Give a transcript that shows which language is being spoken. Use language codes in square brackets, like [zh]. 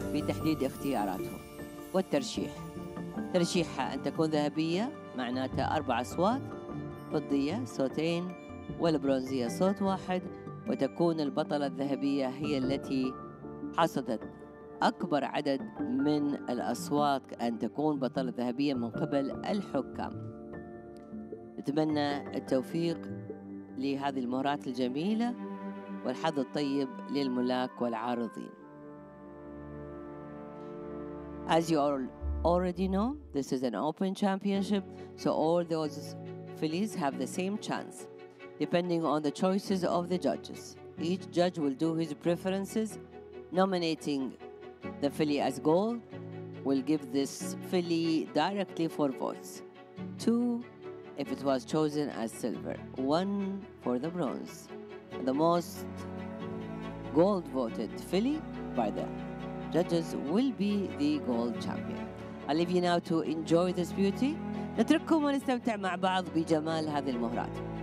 [ar] بتحديد اختياراته والترشيح. ترشيحها أن تكون ذهبية معناتها 4 أصوات، فضية صوتين، والبرونزية صوت واحد، وتكون البطلة الذهبية هي التي حصدت أكبر عدد من الأصوات أن تكون بطلة ذهبية من قبل الحكام. أتمنى التوفيق لهذه المهارات الجميلة والحظ الطيب للملاك والعارضين. [en] As you all already know, this is an open championship, so all those fillies have the same chance, depending on the choices of the judges. Each judge will do his preferences, nominating the filly as gold, will give this filly directly 4 votes. 2 if it was chosen as silver, 1 for the bronze. The most gold voted filly by the judges will be the gold champion. I leave you now to enjoy this beauty. [ar] نترككم ونستمتع مع بعض بجمال هذه المهرات.